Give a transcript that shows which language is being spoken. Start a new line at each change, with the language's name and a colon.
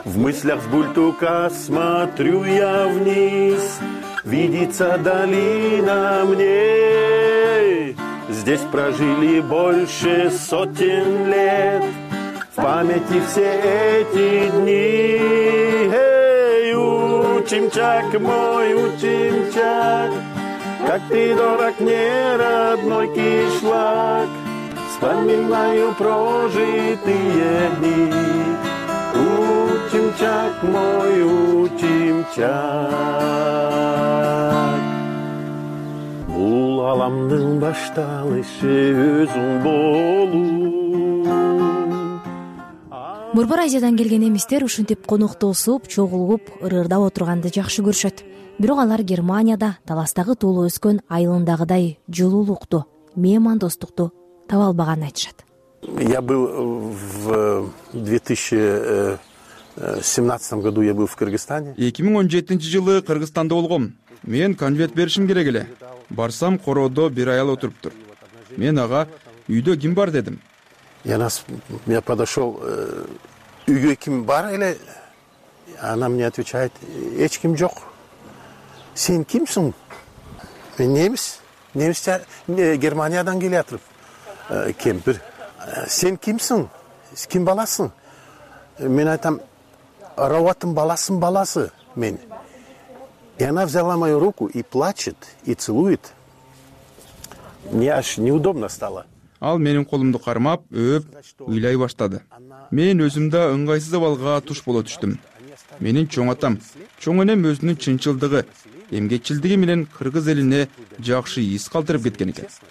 Russian: В мыслях с бультука смотрю я вниз, видится долина мне. Здесь прожили больше сотен лет, в памяти все эти дни. Эй, Утимчак мой, Утимчак, как ты дорог мне, родной кишлак. Вспоминаю прожитые дни, Утимчак мой, Утимчак.
Kyrgyz: Бул аламдын башталышы өзүң болуу. Борбор Азиядан келген эмистер ушинтип коноктосуп, чогулуп, ырырдап отурганды жакшы көрүшөт. Бирок алар Германияда Таластагы тулу өскөн айылындагыдай жылуулукту, меймандостукту таба албаганын айтышат.
Russian: Я был в 2017 году я был в Кыргызстане.
Kyrgyz: 2017 жылы Кыргызстанда болгом. Мен конверт беришим керек эле. Барсам короодо бир аял отуруптур. Мен ага үйдө ким бар дедим.
Russian: Я подошел,
Kyrgyz: үйгө ким бар эле?
Russian: Она мне отвечает,
Kyrgyz: эч ким жок. Сен кимсиң? Мен немис. Немис Германиядан келиатырмын. Кемпир, сен кимсиң? Ким баласың? Мен айтам, Рауаттын баласын баласы мен.
Russian: И она взяла мою руку и плачет, и целует. Мне аж неудобно стало.
Kyrgyz: Ал менин колумду кармап, өөп, ыйлай баштады. Мен өзүмдө ыңгайсыз абалга туш боло түштүм. Менин чоң атам, чоң энем өзүнүн чынчылдыгы, эмгекчилдиги менен кыргыз элине жакшы ийиз калтырып кеткен экен.